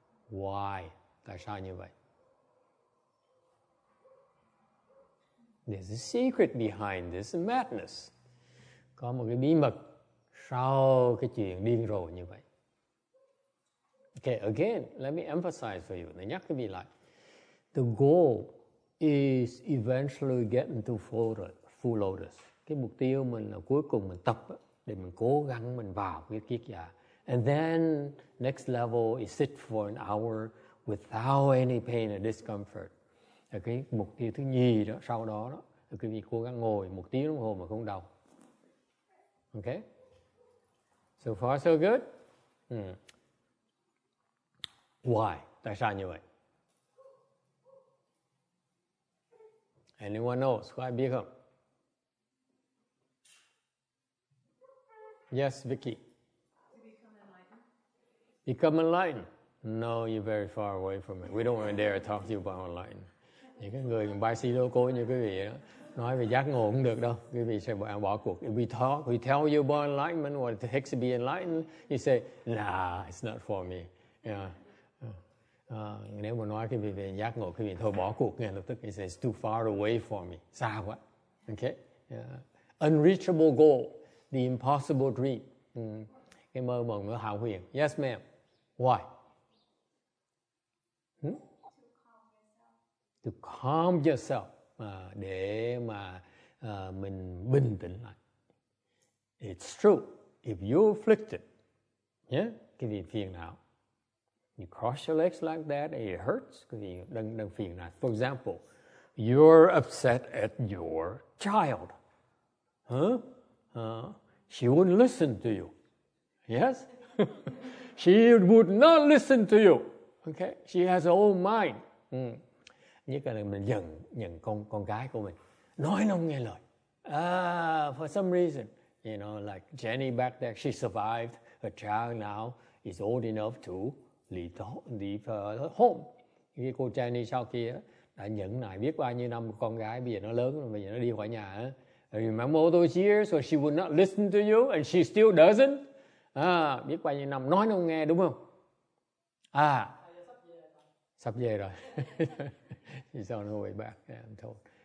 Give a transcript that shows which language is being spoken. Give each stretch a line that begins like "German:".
English: Why?
Vietnamese: Tại sao như vậy?
English: There's a secret behind this madness.
Vietnamese: Có một cái bí mật sau cái chuyện điên rồ như vậy.
English: Okay, again, let me emphasize for you.
Vietnamese: Nhắc cái gì lại.
English: The goal is eventually getting to full lotus.
Vietnamese: Cái mục tiêu mình là cuối cùng mình tập để mình cố gắng mình vào cái kiết già.
English: And then next level is sit for an hour without any pain or discomfort.
Vietnamese: Cái mục tiêu thứ nhì đó, sau đó đó, là cái gì cố gắng ngồi một tiếng đồng hồ mà không đau.
English: Okay? So far so good? Why?
Vietnamese: Tại sao như vậy?
English: Anyone knows? Why
Vietnamese: biết không?
English: Yes, Vicky. Become enlightened. No, you're very far away from it. We don't want to dare talk to you about enlightened.
Vietnamese: Những cái người bài xí lô cô như quý vị đó, nói về giác ngộ cũng được đâu. Quý vị sẽ bỏ cuộc.
English: If we tell you about enlightenment, what it takes to be enlightened, you say, nah, it's not for me. Yeah.
Vietnamese: Nếu mà nói cái về giác ngộ, cái mình thôi bỏ cuộc ngay lập tức.
English: It says too far away for me.
Vietnamese: Xa quá.
English: Okay. Unreachable goal, the impossible dream.
Vietnamese: Cái mơ mộng nó hão huyền.
English: Yes, ma'am. Why? To calm yourself.
Vietnamese: Để mà mình bình tĩnh lại.
English: It's true. If you're afflicted, yeah,
Vietnamese: cái gì phiền não.
English: You cross your legs like that, and it hurts.
Vietnamese: Cái gì đang phiền não.
English: For example, you're upset at your child. She wouldn't listen to you. Yes? She would not listen to you. Okay? She has her own mind.
Vietnamese: Nhất là mình giận con gái của mình. Nói nó không nghe lời.
English: For some reason, you know, like Jenny back there, she survived. Her child now is old enough to leave her home.
Vietnamese: Cái cô Jenny sau kia đã nhẫn nại biết bao nhiêu năm con gái, bây giờ nó lớn, bây giờ nó đi khỏi nhà.
English: Remember all those years when she would not listen to you and she still doesn't?
Vietnamese: Biết bao nhiêu năm nói nó không nghe, đúng không? Sắp về rồi.
English: She's on her way back, yeah, I'm told.